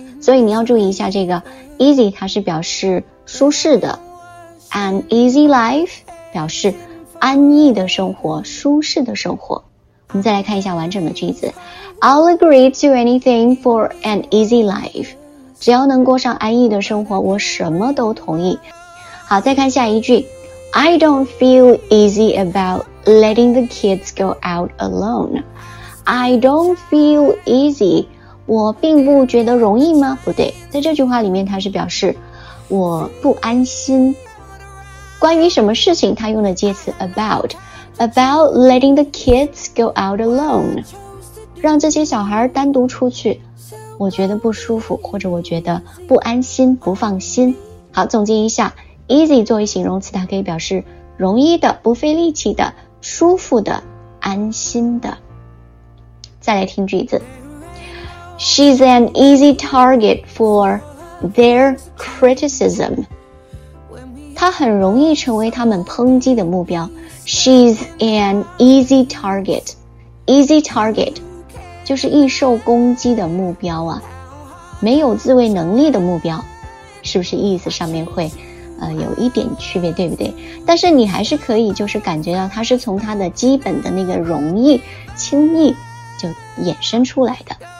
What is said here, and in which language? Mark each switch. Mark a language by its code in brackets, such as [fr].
[zh] 所以你要注意一下这个 easy， 它是表示舒适的， [en] an easy life [zh] 表示安逸的生活，舒适的生活。我们再来看一下完整的句子， [en] I'll agree to anything for an easy life， [zh] 只要能过上安逸的生活我什么都同意。好，再看下一句， [en] I don't feel easy about letting the kids go out alone. I don't feel easy， [zh] 我并不觉得容易吗？不对，在这句话里面它是表示我不安心。关于什么事情他用的介词 [en] about letting the kids go out alone， [zh] 让这些小孩单独出去，我觉得不舒服，或者我觉得不安心不放心。好，总结一下， easy 作为形容词它可以表示容易的，不费力气的，舒服的，安心的。再来听句子， [en] She's an easy target for their criticism， [zh] 她很容易成为他们抨击的目标。 [en] She's an easy target， [zh] easy target 就是易受攻击的目标啊，没有自卫能力的目标，是不是意思上面会有一点区别，对不对？但是你还是可以就是感觉到它是从它的基本的那个容易轻易就衍生出来的。